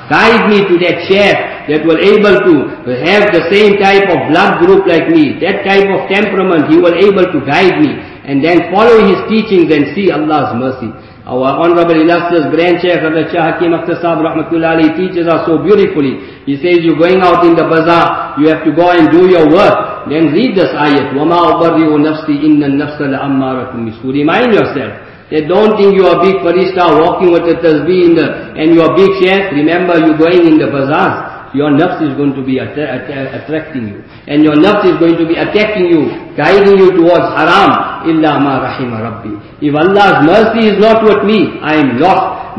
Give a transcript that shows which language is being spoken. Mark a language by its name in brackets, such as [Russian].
[English] Guide me to that chef that will able to have the same type of blood group like me, that type of temperament, he will able to guide me. And then follow his teachings and see Allah's mercy. Our honorable illustrious grand chef, Hazrat Shah Hakim Akhtar Sahib Rahmatullahi, teaches us so beautifully. He says, you're going out in the bazaar, you have to go and do your work. Then read this ayat, [Arabic] وَمَا أُبَرِّئُ نَفْسِي إِنَّ النَّفْسَ لَأَمَّارَةٌ بِسُوءٍ. [English] Remind yourself that don't think you are a big farishta walking with a tasbih in the, and you are a big chef. Remember, you're going in the bazaars. Your nafs is going to be attracting you. And your nafs is going to be attacking you, guiding you towards haram. [Arabic] Illa ma rahima rabbi. [English] If Allah's mercy is not with me, I am lost.